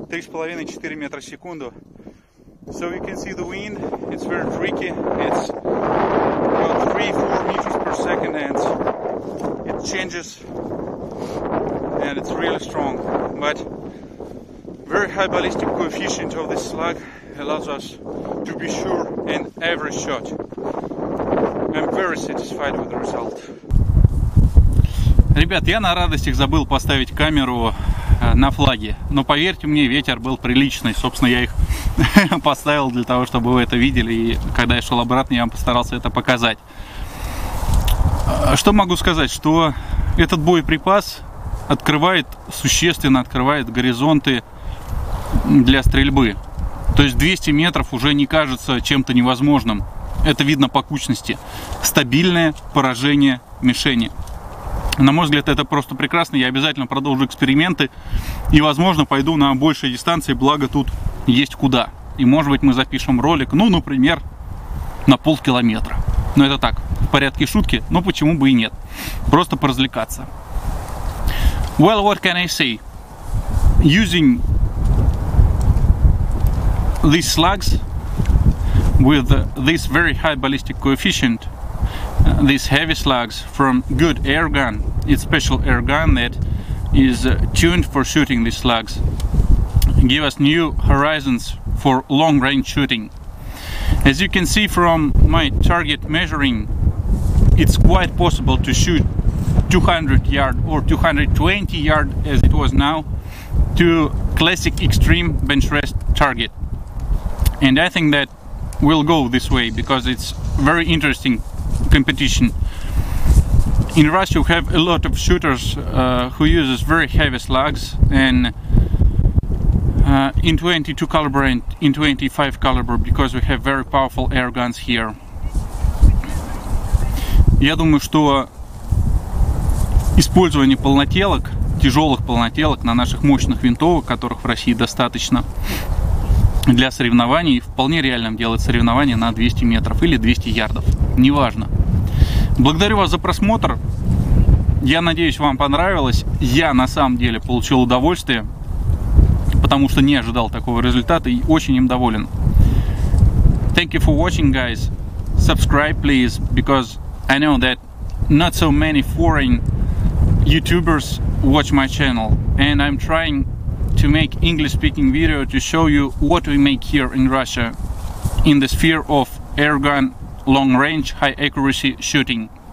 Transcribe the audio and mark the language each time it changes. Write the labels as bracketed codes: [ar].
[ru] Половины 4 метра в секунду. [en] So you can see the wind, it's very tricky, it's about 3-4 meters per second and it changes and it's really strong, but very high ballistic coefficient of this slug allows us to be sure in every shot. I'm very satisfied with the result. [ru] Ребят, я на радостях забыл поставить камеру на флаге, но поверьте мне, ветер был приличный, собственно, я их поставил для того, чтобы вы это видели, и когда я шел обратно, я вам постарался это показать. Что могу сказать, что этот боеприпас открывает, существенно открывает горизонты для стрельбы, то есть 200 метров уже не кажется чем-то невозможным, это видно по кучности, стабильное поражение мишени. На мой взгляд, это просто прекрасно. Я обязательно продолжу эксперименты и, возможно, пойду на большие дистанции, благо тут есть куда. И, может быть, мы запишем ролик, ну, например, на полкилометра. Но это так, в порядке шутки, но почему бы и нет. Просто поразвлекаться. [en] Well, what can I say? Using these slugs with this very high ballistic coefficient, these heavy slugs from good air gun, it's special air gun that is tuned for shooting these slugs, give us new horizons for long range shooting. As you can see from my target measuring, it's quite possible to shoot 200 yard or 220 yard as it was now to classic extreme bench rest target. And I think that will go this way because it's very interesting competition. In Russia we have a lot of shooters who uses very heavy slugs and in 22 caliber and in 25 caliber because we have very powerful air guns here. [ru] Я думаю, что использование полнотелок, тяжелых полнотелок на наших мощных винтовках, которых в России достаточно, для соревнований, вполне реально делать соревнования на 200 метров или 200 ярдов, неважно. Благодарю вас за просмотр. Я надеюсь, вам понравилось. Я на самом деле получил удовольствие, потому что не ожидал такого результата и очень им доволен. [en] Thank you for watching, guys. Subscribe, please, because I know that not so many foreign YouTubers watch my channel, and I'm trying to make English-speaking video to show you what we make here in Russia in the sphere of air gun, long range, high accuracy shooting.